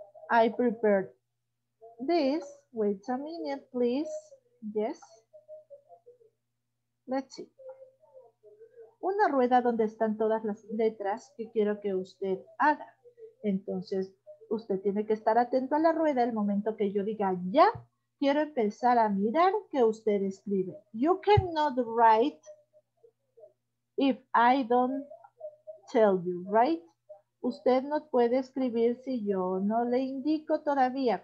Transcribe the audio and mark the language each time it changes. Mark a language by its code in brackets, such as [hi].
[en] I prepared this. Wait a minute, please. Yes. Let's see. [es] Una rueda donde están todas las letras que quiero que usted haga. Entonces, usted tiene que estar atento a la rueda el momento que yo diga ya. Quiero empezar a mirar que usted escribe. [en] You cannot write if I don't tell you, right? [es] Usted no puede escribir si yo no le indico todavía.